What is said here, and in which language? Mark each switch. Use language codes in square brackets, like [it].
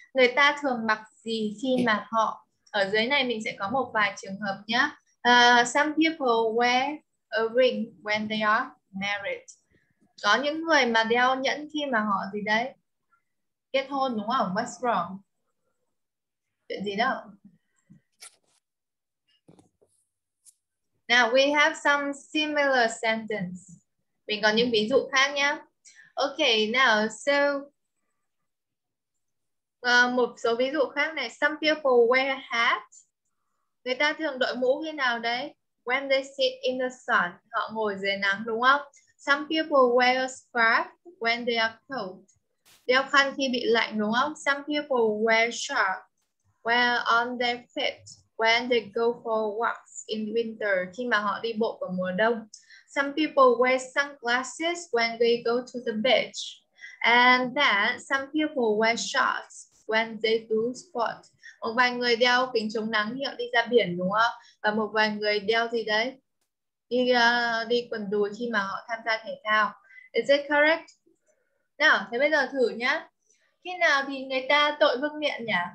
[vi] Người ta thường mặc gì khi mà họ? Ở dưới này mình sẽ có một vài trường hợp nhé. [en] Some people wear a ring when they are married. [vi] Có những người mà đeo nhẫn khi mà họ gì đấy? Kết hôn đúng không? [en] What's wrong? [vi] Chuyện gì đâu? [en] Now, we have some similar sentence. [vi] Mình có những ví dụ khác nhé. Okay, now, so một số ví dụ khác này. [en] Some people wear a hat. [vi] Người ta thường đội mũ khi nào đấy? [en] When they sit in the sun. [vi] Họ ngồi dưới nắng, đúng không? [en] Some people wear a scarf when they are cold. [vi] Đeo khăn khi bị lạnh, đúng không? [en] Some people wear shorts. Wear on their feet when they go for walks in winter. [vi] Khi mà họ đi bộ vào mùa đông. [en] Some people wear sunglasses when they go to the beach. And then some people wear shorts when they do sports. [vi] Một vài người đeo kính chống nắng khi họ đi ra biển, đúng không? Và một vài người đeo gì đấy? Đi quần đùi khi mà họ tham gia thể thao. [en] Is it correct? [vi] Nào, thế bây giờ thử nhá. Khi nào thì người ta tội vương miện nhỉ?